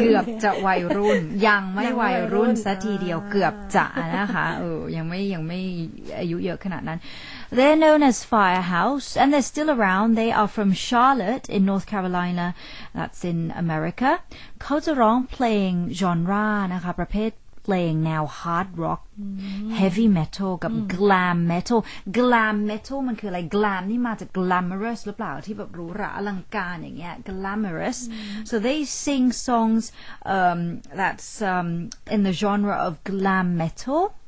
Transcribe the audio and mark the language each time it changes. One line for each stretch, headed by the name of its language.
Thai: เกือบจะวัยรุ่นยังไม่วัยรุ่นซะทีเดียวเกือบจะนะคะยังไม่อายุเยอะขนาดนั้น
English: They're known as Firehouse and they're still around. They are from Charlotte in North Carolina. That's in America.
Thai: เขาจะร้องเพลงจอนรานะคะประเภทเพลงแนว hard rock heavy metal กับ glam metal glam metal มันคืออะไร glam นี่มาจาก glamorous หรือเปล่าที่แบบหรูหราอลังการอย่างเงี้ย glamorous
English: so they sing songs that's in the genre of glam metal